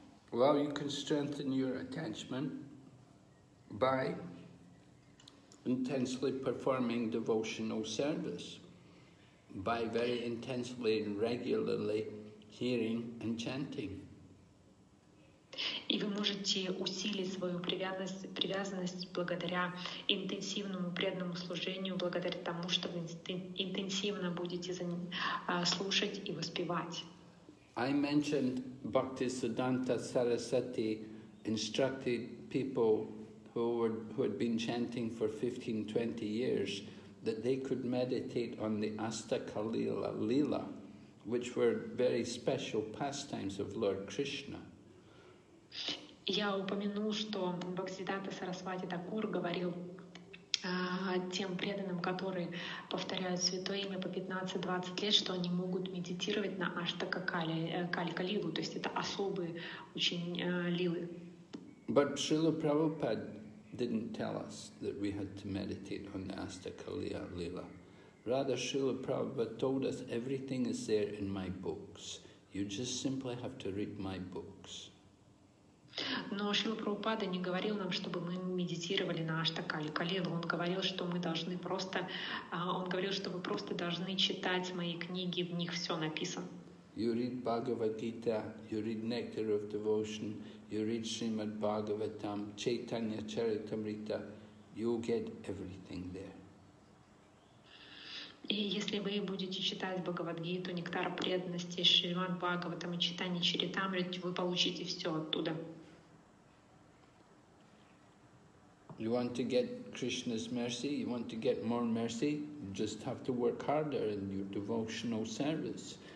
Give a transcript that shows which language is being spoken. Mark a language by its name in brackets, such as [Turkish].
[English] Well, you can strengthen your attachment by intensely performing devotional service by very intensely and regularly hearing and chanting. [Russian] И вы можете усилить свою привязанность благодаря интенсивному преданному служению, благодаря тому, что вы интенсивно будете слушать и воспевать. [English] I mentioned Bhaktisiddhanta Sarasvati instructed people who had been chanting for 15-20 years that they could meditate on the Astaka Lila, which were very special pastimes of Lord Krishna. [Russian] Я упомянул, что Бхактисиддханта Сарасвати Такур говорил тем преданным, которые повторяют святое имя по 15-20 лет, что они могут медитировать на Аштака Калька-лилу, то есть это особые очень лилы. [English] But Srila Prabhupada didn't tell us that we had to meditate on the Astaka Lila. Rather, Srila Prabhupada told us everything is there in my books. You just simply have to read my books. [Russian] Но Шрила Прабхупада не говорил нам, чтобы мы медитировали на Аштакалилу. Он говорил, что мы должны просто, он говорил, что вы просто должны читать мои книги, в них все написано. [English] You read Bhagavad-gita, you read Nectar of Devotion, you read Srimad Bhagavatam, Chaitanya Charitamrita, you'll get everything there. [Russian] И если вы будете читать Бхагавад-гиту, Нектар преданности, Шриман Бхагаватам и Читани Чаритамрит, вы получите все оттуда. [English] You want to get Krishna's mercy, you want to get more mercy, you just have to work harder in your devotional service.